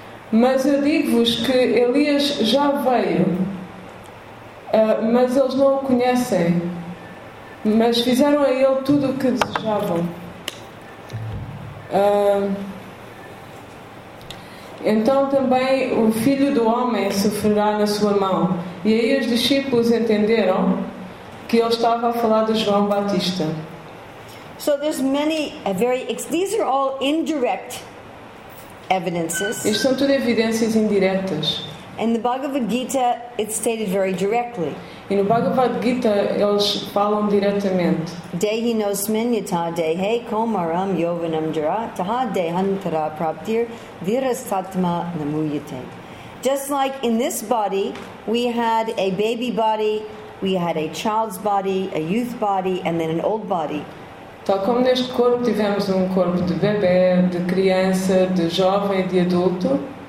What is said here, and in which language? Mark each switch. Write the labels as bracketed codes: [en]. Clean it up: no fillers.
[pt] Mas eu digo-vos que Elias já veio, mas eles não o conhecem, mas fizeram a ele tudo o que desejavam. Então também o Filho do Homem sofrerá na sua mão. E aí os discípulos entenderam que ele estava a falar de João Batista. [en] So there's many very, these are all indirect evidences. [pt] Isto são tudo evidências indiretas. [en] In the Bhagavad Gita, it's stated very directly. [pt] E no Bhagavad Gita, eles falam diretamente. [sa] Dehi no smin yata dehe komaram yovanam jara taha dehantara praptir virasatma namuyate. [en] Just like in this body, we had a baby body, we had a child's body, a youth body, and then an old body. [pt] Tal como neste corpo tivemos corpo de bebê, de criança, de jovem, de adulto.